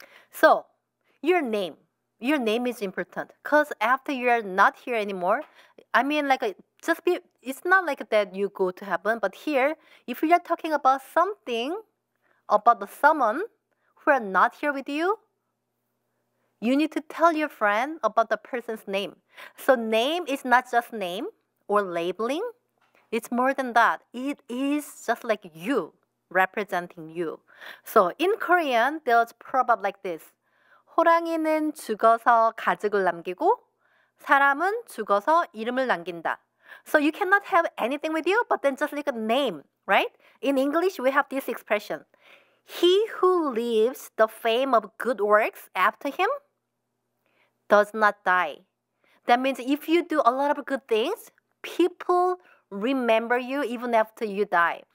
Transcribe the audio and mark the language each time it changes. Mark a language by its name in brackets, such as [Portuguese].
[English] So your name is important, because after you are not here anymore, I mean, like, just be, it's not like that you go to heaven, but here, if you are talking about something, about someone who are not here with you, you need to tell your friend about the person's name. So name is not just name or labeling. It's more than that. It is just like you, representing you. So in Korean, there's a proverb like this. [Korean] 호랑이는 죽어서 가죽을 남기고 사람은 죽어서 이름을 남긴다. [English] So you cannot have anything with you, but then just like a name, right? In English, we have this expression. He who leaves the fame of good works after him does not die. That means if you do a lot of good things, people remember you even after you die.